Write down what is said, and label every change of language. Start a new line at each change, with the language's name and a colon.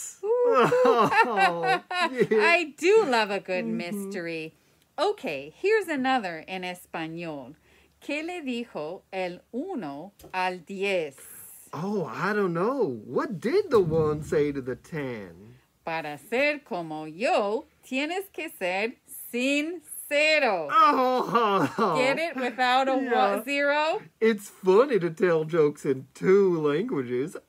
English: I do love a good mystery. Okay, here's another in Espanol.
Spanish: ¿Qué le dijo el uno al diez?
English: Oh, I don't know. What did the one say to the ten?
Spanish: Para ser como yo, tienes que ser sincero.
English: Get it? Without a zero? It's funny to tell jokes in two languages.